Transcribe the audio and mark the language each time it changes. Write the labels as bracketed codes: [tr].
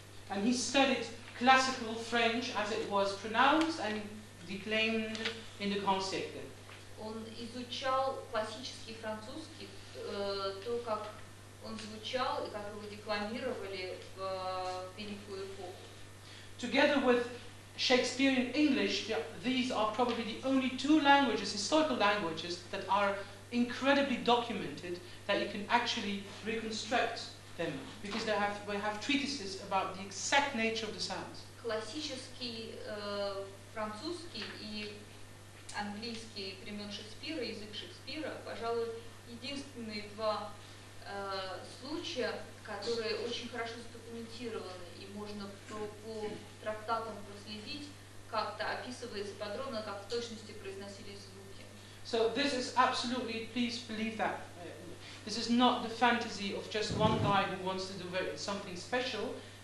[en] And he studied classical French as it was pronounced and declaimed in the concert. [ru] Он изучал классический французский, то как он звучал и как его декламировали в великую эпоху. [en] Together with Shakespearean English, these are probably the only two languages, historical languages, that are incredibly documented, that you can actually reconstruct them, because they have, we have treatises about the exact nature of the sounds. [ru] Классический французский и английский времен Шекспира, язык Шекспира, пожалуй, единственные два случая, которые очень хорошо задокументированы, и можно по трактатам проследить, как-то описывается подробно, как в точности произносились звуки. [en] So this is absolutely, please believe that. This is not the fantasy of just one guy who wants to do something special.